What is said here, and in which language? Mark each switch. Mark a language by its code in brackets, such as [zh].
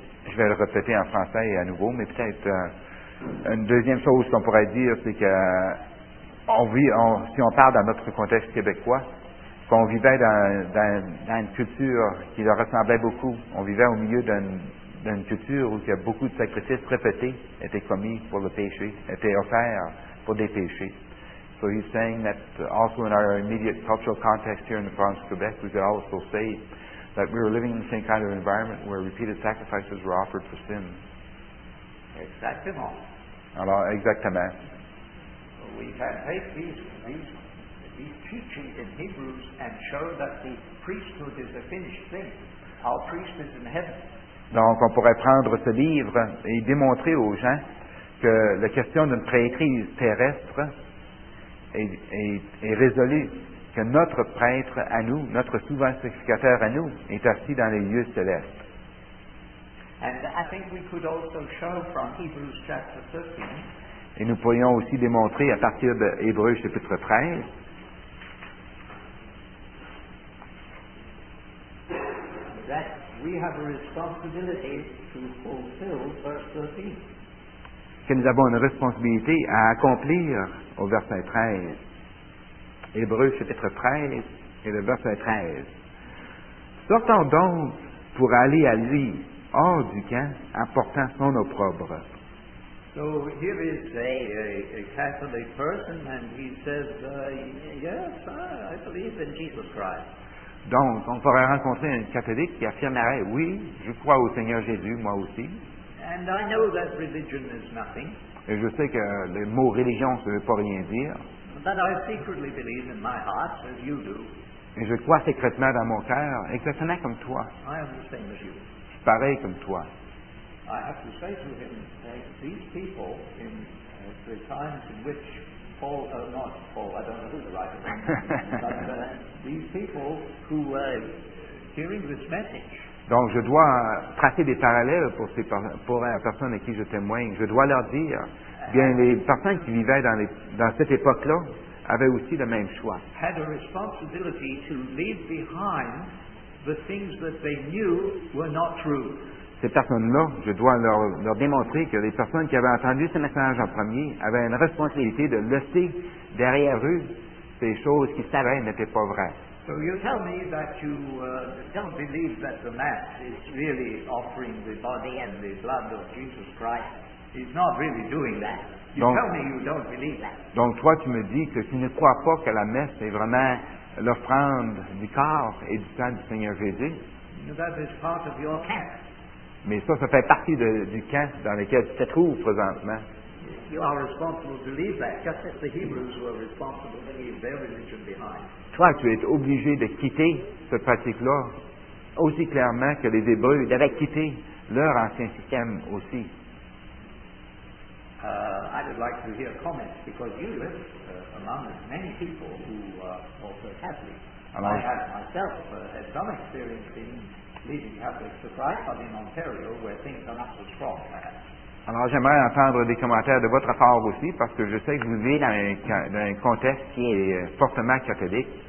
[fr] Je vais le répéter en français et à nouveau, mais peut-être... Une deuxième chose qu'on pourrait dire, c'est que si on parle dans notre contexte québécois, qu'on vivait dans une culture qui leur ressemblait beaucoup. On vivait au milieu d'une culture où il y a beaucoup de sacrifices répétés étaient commis pour le péché, étaient offerts pour des péchés. [en] So he's saying that also in our immediate cultural context here in the province of Quebec, we could also say that we were living in the same kind of environment where repeated sacrifices were offered for sins. [fr] Exactement. Alors, exactement. [en] We can take these teachings in Hebrews and show that the priesthood is a finished thing. Our priest is in heaven. [fr] Donc, on pourrait prendre ce livre et démontrer aux gens que la question d'une prêtrise terrestre est résolue, que notre prêtre à nous, notre souverain sacrificateur à nous, est assis dans les lieux célestes. [en] And I think we could also show from Hebrews chapter 13. [fr] Et nous pourrions aussi démontrer à partir de Hébreux chapitre 13. [en] That we have a responsibility to fulfill verse 13. [fr] Que nous avons une responsabilité à accomplir au verset 13. Hébreux chapitre 13 et le verset 13. Sortons donc pour aller à lui, hors du camp, apportant son opprobre. [en] So here is a Catholic person, and he says, yes, I believe in Jesus Christ. [fr] Donc, on pourrait rencontrer un catholique qui affirmerait, oui, je crois au Seigneur Jésus, moi aussi. [en] And I know that religion is nothing. [fr] Et je sais que le mot religion, ça ne veut pas rien dire. [en] But I secretly believe in my heart, as you do. [fr] Et je crois secrètement dans mon cœur, exactement comme toi. [en] I am the same as you. [fr] Je suis pareil comme toi. [en] I have to say to him that these people in the times in which Paul, not Paul, I don't know who the writer is, these people who were hearing this message. [fr] Donc je dois tracer des parallèles pour ces pour la personne à qui je témoigne. Je dois leur dire, bien les personnes qui vivaient dans cette époque-là avaient aussi le même choix. [en] Had a responsibility to leave behind the things that they knew were not true. [fr] Ces personnes-là, je dois leur démontrer que les personnes qui avaient entendu ce message en premier avaient une responsabilité de laisser derrière eux ces choses qu'ils savaient n'étaient pas vraies. [en] So you tell me that you don't believe that the mass is really offering the body and the blood of Jesus Christ. It's not really doing that. Tell me you don't believe that. [fr] Donc toi, tu me dis que tu ne crois pas que la messe est vraiment l'offrande du corps et du sang du Seigneur Jésus. [en] That is part of your camp. [fr] Mais ça fait partie du camp dans lequel tu te trouves présentement. [en] You are responsible to leave that, just as the Hebrews were responsible to leave their religion behind. [fr] Toi, tu es obligé de quitter cette pratique-là aussi clairement que les Hébreux devaient quitter leur ancien système aussi. [en] I would like to hear comments because you live among many people who are also Catholic. [fr] Alors, [en] I have myself had some experience in leaving Catholic society, but in Ontario where things are not so strong perhaps. [fr] Alors, j'aimerais entendre des commentaires de votre part aussi, parce que je sais que vous vivez dans un contexte qui est fortement catholique.